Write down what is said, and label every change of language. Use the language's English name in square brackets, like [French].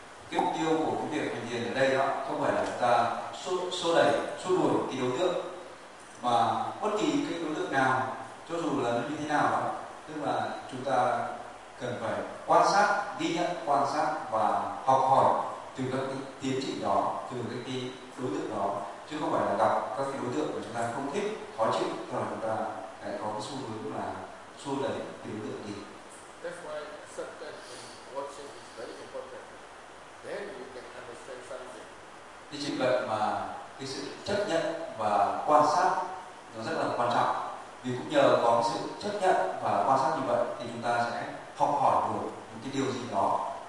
[Vietnamese] Cái mục tiêu của cái việc mình thiền ở đây đó không phải là chúng ta xô đẩy, xua đuổi cái đối tượng, mà bất kỳ cái đối tượng nào, cho dù là nó như thế nào đó, tức là chúng ta cần phải quan sát, ghi nhận, quan sát và học hỏi từ các cái tiến trình đó, từ các cái đối tượng đó, chứ không phải là gặp các cái đối tượng mà chúng ta không thích, khó chịu, tức là chúng ta lại có cái xu hướng là xua đẩy tiểu lượng gì. [English] That's why sometimes in watching is very important. Then you can understand something. [Vietnamese] Thì chỉ cần mà cái sự chấp nhận và quan sát nó rất là quan trọng. Vì cũng nhờ có sự chấp nhận và quan sát như vậy thì chúng ta sẽ học hỏi được những cái điều gì đó.